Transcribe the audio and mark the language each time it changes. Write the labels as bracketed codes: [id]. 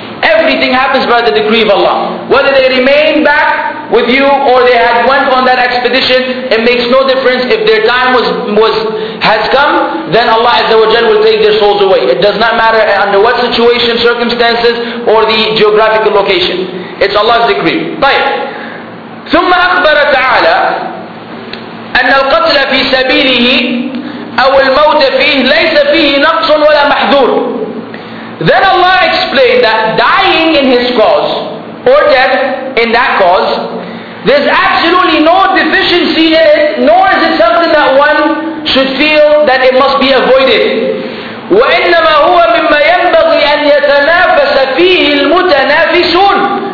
[en] Everything happens by the decree of Allah. Whether they remain back with you or they had went on that expedition, it makes no difference. If their time has come, then Allah Azza wa Jal will take their souls away. It does not matter under what situation, circumstances, or the geographical location. It's Allah's decree. طيب. [ar] ثم أخبر تعالى أن القتل في سبيله أو الموت فيه ليس فيه نقص ولا محذور. [en] Then Allah explained that dying in his cause, or death in that cause, there's absolutely no deficiency in it, nor is it something that one should feel that it must be avoided. [ar] وَإِنَّمَا هُوَ مِمَّا يَنْبَغِي أَنْ يَتَنَافَسَ فِيهِ الْمُتَنَافِسُونَ.